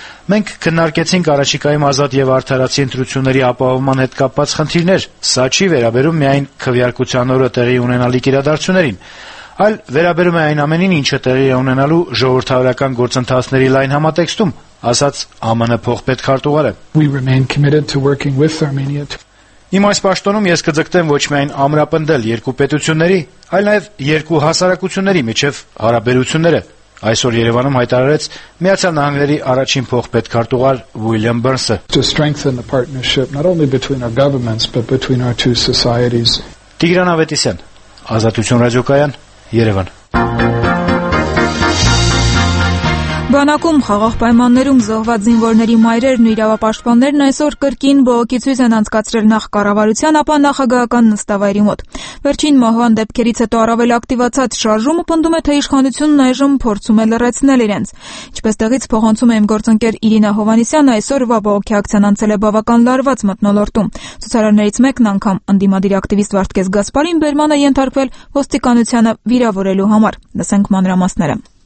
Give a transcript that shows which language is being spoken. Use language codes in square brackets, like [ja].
[hy] Մենք քննարկեցինք առաջիկայում ազատ և արդարացի ընտրությունների ապահովման հետ կապված խնդիրներ, սա չի վերաբերում միայն քվեարկության օրը տեղի ունենալիք իրադարձություններին, այլ վերաբերում է այն ամենին, ինչը տեղի է ունենալու ժողովրդավարական գործընթացների լայն համատեքստում, ասաց ԱՄՆ փոխպետքարտուղարը։ Իմ այս պաշտոնում ես կձգտեմ ոչ միայն ամրապնդել երկու պետությունների, այլ նաև երկու հասարակությունների միջև հարաբերությունները, այսօր Երևանում հայտարարեց Միացյալ Նահանգների առաջին փոխպետքարտուղար Ուիլյամ Բերնզը. [en] To strengthen the partnership not only between our governments but between our two societies. [hy] Տիգրան Ավետիսյան, Ազատություն ռադիոկայան, Երևան։ Բանակում խաղաղ պայմաններում զոհված զինվորների մայրերն ու իրավապաշտպաններն այսօր կրկին բողոքի ցույց են անցկացրել նախ կառավարության ապա նախագահական նստավայրի մոտ։ Վերջին մահվան դեպքերից հետո առավել ակտիվացած շարժումը պնդում է, թե իշխանությունն այժմ փորձում է լրացնել իրենց։ Ինչպես տեղից փոխանցում է իմ գործընկեր Իրինա Հովանիսյանը, այսօր բողոքի ակցիան անցել է բավական լարված մթնոլորտում։ Ցուցարարներից մեկն անգամ ընդդիմադիր ակտիվիստ Վարդգես Գասպարին Բերմանը ենթարկվել ոստիկանությանը վիրավորելու համար։ Լսենք մանրամասները։